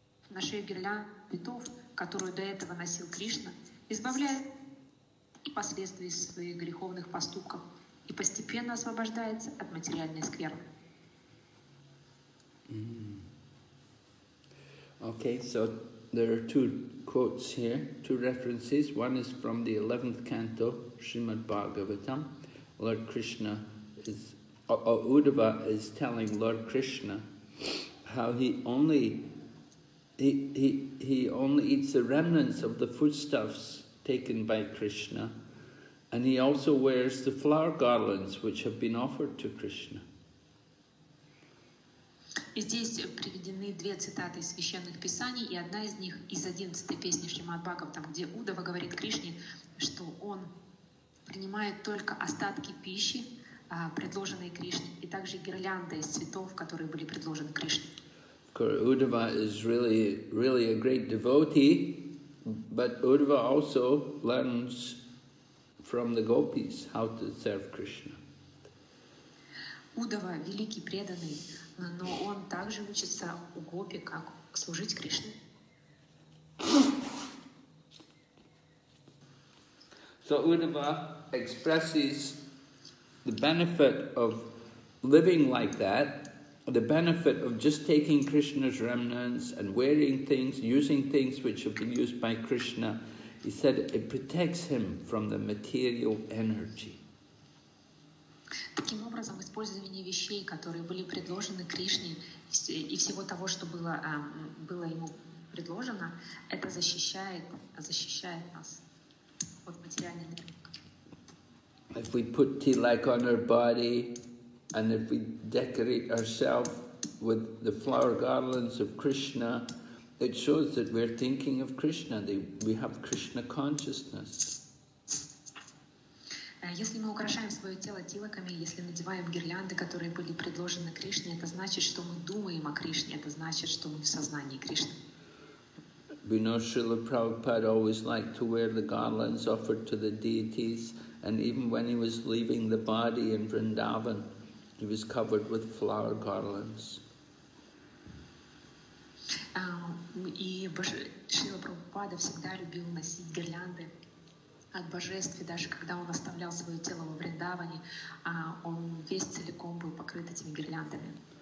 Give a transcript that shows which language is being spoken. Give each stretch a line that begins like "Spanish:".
Russian: На шее гирлянды цветов, которую до этого носил Кришна, избавляет и последствия своих греховных поступков, и постепенно освобождается от материальной скверны.
English: Okay, so there are two quotes here, two references. One is from the 11th canto, Srimad Bhagavatam. Lord Krishna is, Uddhava is telling Lord Krishna how he only eats the remnants of the foodstuffs taken by Krishna, and he also wears the flower garlands which have been offered to Krishna.
Russian: И здесь приведены две цитаты из священных писаний, и одна из них из 11-й песни Шримад Бхагаватам, где Удава говорит Кришне, что он принимает только остатки пищи, предложенные Кришне, и также гирлянды из цветов, которые были предложены Кришне.
English: Удава is really, really a great devotee, but Удава also learns from the gopis how to serve Krishna.
Russian: Удава великий преданный, но он также учится у гопи, как служить Кришне.
English: So Uddhava expresses the benefit of living like that, the benefit of just taking Krishna's remnants and wearing things, using things which have been used by Krishna. He said it protects him from the material energy.
Russian: Таким образом, использование вещей, которые были предложены Кришне, и всего того, что было, было ему предложено, это защищает нас от материальной энергии.
English: If we put tilak on our body, and if we decorate ourselves with the flower garlands of Krishna, it shows that we're thinking of Krishna, that we have Krishna consciousness.
Russian: Если мы украшаем свое тело тилаками, если надеваем гирлянды, которые были предложены Кришне, это значит, что мы думаем о Кришне, это значит, что мы в сознании Кришны.
English: We know Srila Prabhupada always liked to wear the garlands offered to the deities, and even when he was leaving the body in Vrindavan, he was covered with flower garlands.
Russian: И Шрила Прабхупада всегда любил носить гирлянды от божеств, даже когда он оставлял свое тело во Вриндаване, он весь целиком был покрыт этими гирляндами.